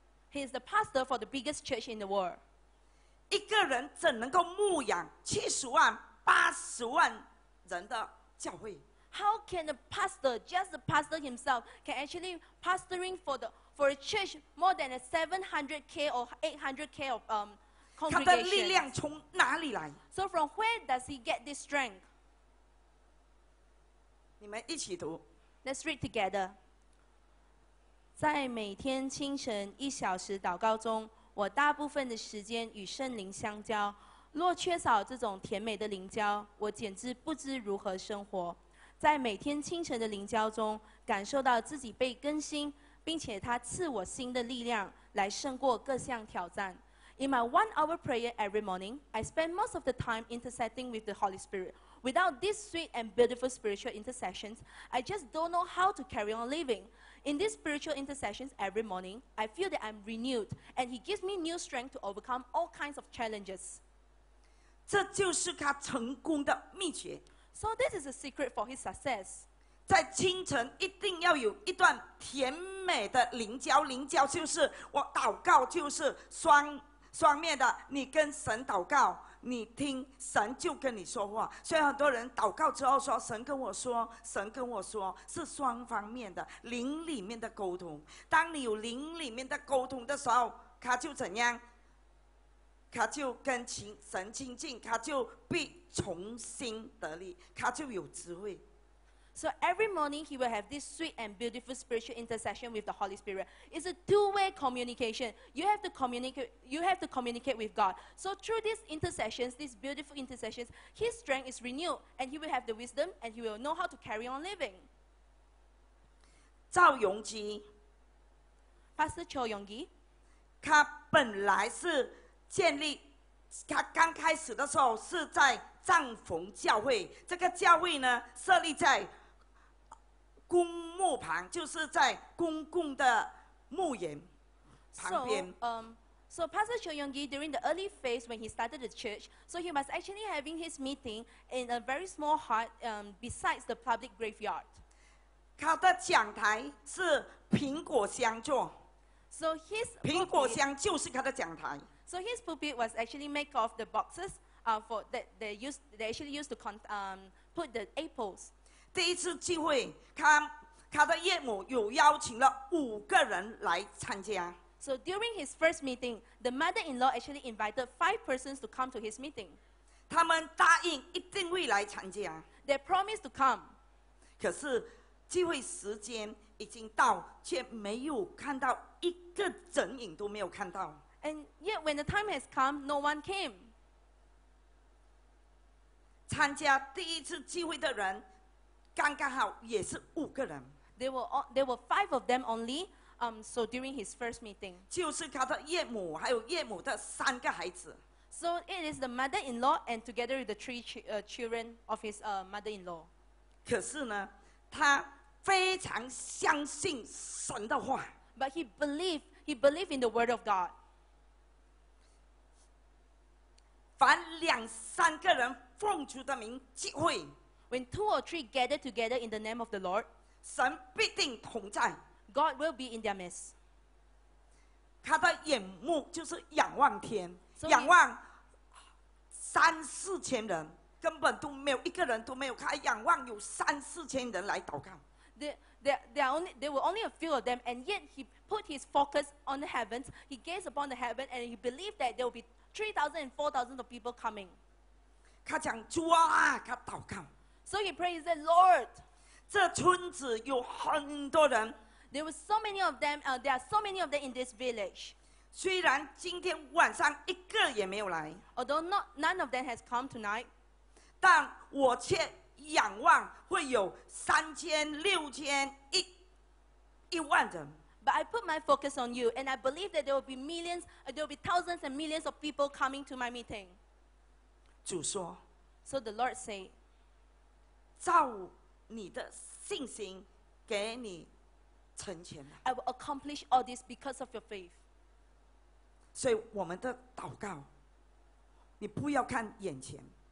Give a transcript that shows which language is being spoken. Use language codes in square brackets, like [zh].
[en] He is the pastor for the biggest church in the world. [zh] 一个人怎能够牧养70万、80万人的教会？ [en] How can a pastor, just the pastor himself, can actually pastoring for a church more than a 700K or 800K of congregation? [zh] 他的力量从哪里来？ [en] So from where does he get this strength? [zh] 你们一起读。 [en] Let's read together. [zh] 在每天清晨一小时祷告中，我大部分的时间与圣灵相交。若缺少这种甜美的灵交，我简直不知如何生活。在每天清晨的灵交中，感受到自己被更新，并且他赐我新的力量来胜过各项挑战。 [en] In my 1 hour prayer every morning, I spend most of the time intercepting with the Holy Spirit. Without this sweet and beautiful spiritual intercessions, I just don't know how to carry on living. In these spiritual intercessions every morning, I feel that I'm renewed, and He gives me new strength to overcome all kinds of challenges. [zh] 这就是他成功的秘诀。 [en] So this is a secret for his success. [zh] 在清晨一定要有一段甜美的灵交，灵交就是我祷告，就是双面的。你跟神祷告，你听神就跟你说话。所以很多人祷告之后说：“神跟我说，神跟我说。” 是双方面的灵里面的沟通。当你有灵里面的沟通的时候，他就怎样？他就跟神亲近，他就必重新得力，他就有智慧。 [en] So every morning he will have this sweet and beautiful spiritual intercession with the Holy Spirit. It's a two-way communication. You have to communicate with God. So through these intercessions, these beautiful intercessions, his strength is renewed, and he will have the wisdom, and he will know how to carry on living. [zh] 赵荣基 [en] ，Pastor Cho Yonggi， [zh] 他本来是。建立他刚开始的时候是在帐篷教会，这个教会呢设立在公墓旁，就是在公共的墓园旁边。 [en] So Pastor Cho Yonggi, during the early phase when he started the church, so he was actually having his meeting in a very small hut, besides the public graveyard. [zh] 他的讲台是苹果香座。 [en] So his [zh] 苹果香就是他的讲台。 [en] So his pulpit was actually made of the boxes for that they actually used to put the apples. [zh] 第一次聚会，他的岳母有邀请了五个人来参加。 [en] So during his first meeting, the mother-in-law actually invited 5 persons to come to his meeting. [zh] 他们答应一定会来参加。 [en] They promised to come. [zh] 可是聚会时间已经到，却没有看到一个人影都没有看到。 [en] And yet when the time has come, no one came. [zh] 参加第一次聚会的人刚刚好也是五个人。 [en] There were 5 of them only. So during his first meeting, [zh] 就是他的岳母还有岳母的三个孩子。 [en] So it is the mother-in-law and together with the 3 children of his mother-in-law. [zh] 可是呢，他非常相信神的话。 [en] But he believed in the word of God. [zh] 凡两三个人奉主的名聚会。 [en] When 2 or 3 gather together in the name of the Lord, [zh] 神必定同在。 [en] God will be in their midst. [zh] 他的眼目就是仰望天， so、仰望三四千人，根本都没有一个人都没有看，仰望有三四千人来祷告。 [en] There were only a few of them, and yet he put his focus on the heavens. He gazed upon the heaven, and he believed that there will be 3,000 and 4,000 of people coming. [zh] 他讲主啊，他祷告。 [en] So he prayed, he said, Lord, [zh] 这村子有很多人。 [en] There were so many of them, there are so many of them in this village. [zh] 虽然今天晚上一个也没有来。 [en] Although none of them has come tonight. [zh] 但我却仰望会有三千、六千、一万人。 [en] But I put my focus on you, and I believe that there will be millions, there will be thousands and millions of people coming to my meeting. [zh] 主说。 [en] So the Lord said, [zh] 照你的信心给你成全。 [en] I will accomplish all this because of your faith. [zh] 所以我们的祷告，你不要看眼前。